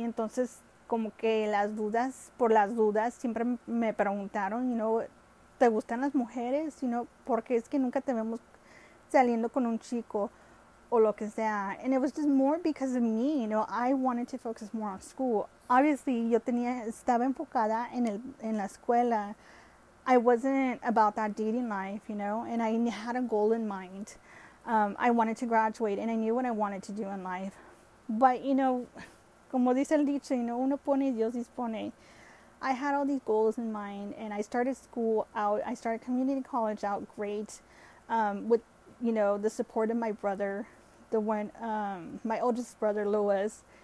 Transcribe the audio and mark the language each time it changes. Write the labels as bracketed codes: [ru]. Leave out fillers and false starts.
[es] Y entonces, como que las dudas, por las dudas, siempre me preguntaron, you know, ¿te gustan las mujeres? You know, porque es que nunca te vemos saliendo con un chico o lo que sea. [en] And it was just more because of me, you know, I wanted to focus more on school. [es] Obviously, yo tenía, estaba enfocada en la escuela. [en] I wasn't about that dating life, you know, and I had a goal in mind. I wanted to graduate and I knew what I wanted to do in life. But, you know, [es] como dice el dicho, [en] you know, [es] uno pone, Dios dispone. [en] I had all these goals in mind and I started school out, I started community college out great, with, you know, the support of my brother, the one, my oldest brother, Louis.